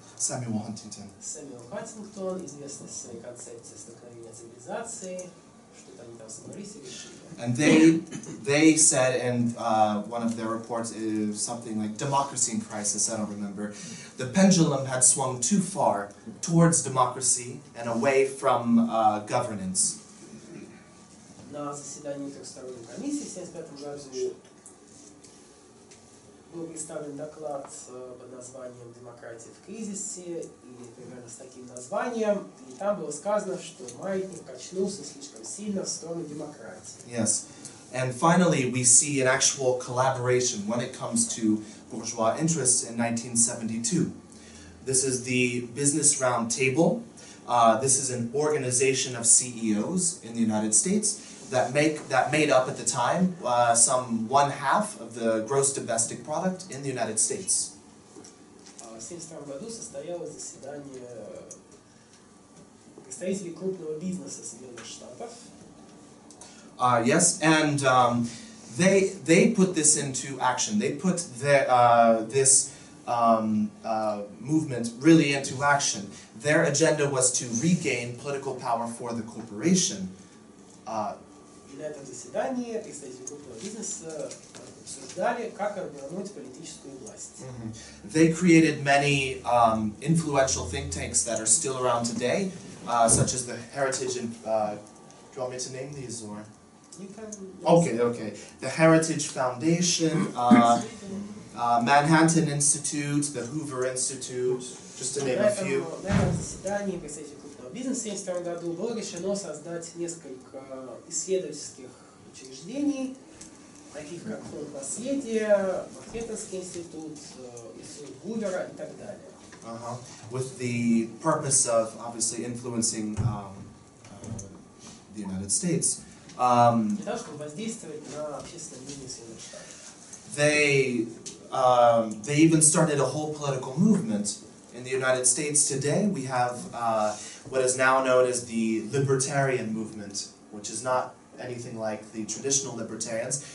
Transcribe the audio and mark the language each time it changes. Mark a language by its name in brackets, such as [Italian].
[Russian] Samuel Huntington, известный своей концепцией столкновения цивилизаций, что-то они там собрались и решили. [English] And they said in one of their reports something like democracy in crisis, I don't remember. The pendulum had swung too far towards democracy and away from governance. [Russian] На заседании трехсторонней комиссии в 1975 году был представлен доклад под названием «Демократия в кризисе» или примерно с таким названием, и там было сказано, что маятник качнулся слишком сильно в сторону демократии. [English] Yes, and finally we see an actual collaboration when it comes to bourgeois interests in 1972. This is the Business Round Table. This is an organization of CEOs in the United States that made up at the time some one half of the gross domestic product in the United States. [Russian] В 72 году состоялось заседание представителей крупного бизнеса Соединенных Штатов. [English] Yes, and they put this into action. They put this movement really into action. Their agenda was to regain political power for the corporation. [Russian] На этом заседании представители крупного бизнеса обсуждали, как обернуть политическую власть. Mm-hmm. [English] They created many influential think tanks that are still around today, such as the Heritage and do you want me to name these or? You can. Okay. The Heritage Foundation, Manhattan Institute, the Hoover Institute, just to name a few. [Russian] На этом заседании представители крупного бизнеса в 72 году было решено создать несколько исследовательских учреждений, таких как Фонд наследия, Манхэттенский институт, Институт Гувера и так далее. [English] With the purpose of obviously influencing the United States. [Russian] Для того, чтобы воздействовать на общественное мнение Соединенных Штатов. [English] They even started a whole political movement. In the United States today, we have what is now known as the libertarian movement, which is not anything like the traditional libertarians.